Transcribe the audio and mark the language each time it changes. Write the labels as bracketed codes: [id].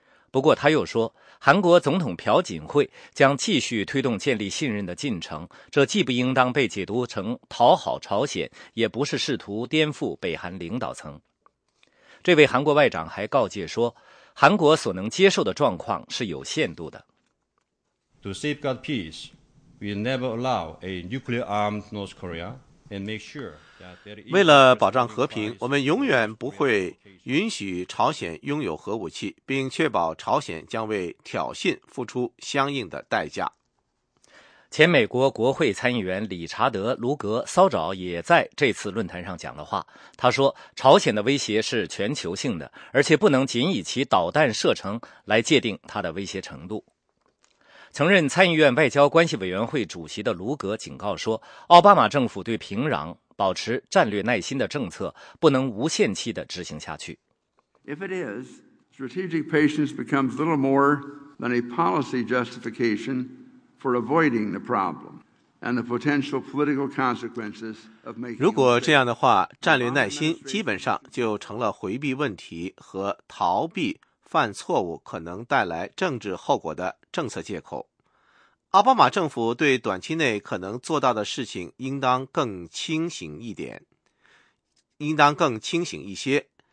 [zh] 不过他又说，韩国总统朴槿惠将继续推动建立信任的进程，这既不应当被解读成讨好朝鲜，也不是试图颠覆北韩领导层。这位韩国外长还告诫说，韩国所能接受的状况是有限度的。 [en] To safeguard peace, we never allow a nuclear armed North Korea and make sure that there is... [zh] 为了保障和平，我们永远不会允许朝鲜拥有核武器，并确保朝鲜将为挑衅付出相应的代价。前美国国会参议员理查德·卢格·骚沼也在这次论坛上讲了话。他说，朝鲜的威胁是全球性的，而且不能仅以其导弹射程来界定它的威胁程度。曾任参议院外交关系委员会主席的卢格警告说，奥巴马政府对平壤保持战略耐心的政策不能无限期地执行下去。 [en] If it is, strategic patience becomes little more than a policy justification for avoiding the problem and the potential political consequences of making. [zh] 如果这样的话，战略耐心基本上就成了回避问题和逃避犯错误可能带来政治后果的政策借口。奥巴马政府对短期内可能做到的事情应当更清醒一点，应当更清醒一些。